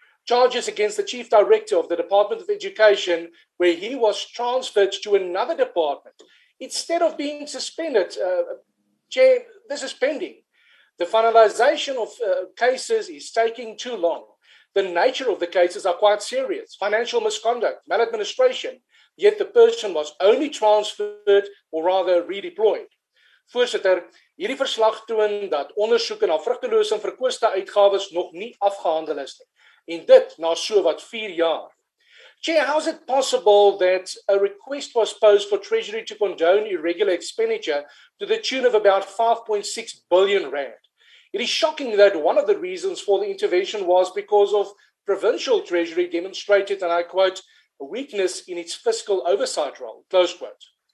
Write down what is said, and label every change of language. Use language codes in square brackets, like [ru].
[en] Charges against the chief director of the Department of Education, where he was transferred to another department, instead of being suspended, Chair, this is pending. The finalization of cases is taking too long. The nature of the cases are quite serious. Financial misconduct, maladministration, yet the person was only transferred or rather redeployed. [af] Voorzitter, hierdie verslag toon dat ondersoeke na vrugtelose en verkwiste uitgawes nog nie afgehandel is. En dit na so wat 4 jaar. [en] Chair, how is it possible that a request was posed for Treasury to condone irregular expenditure to the tune of about 5.6 billion rand? It is shocking that one of the reasons for the intervention was because of provincial Treasury demonstrated, and I quote, a weakness in its fiscal oversight role, close quote.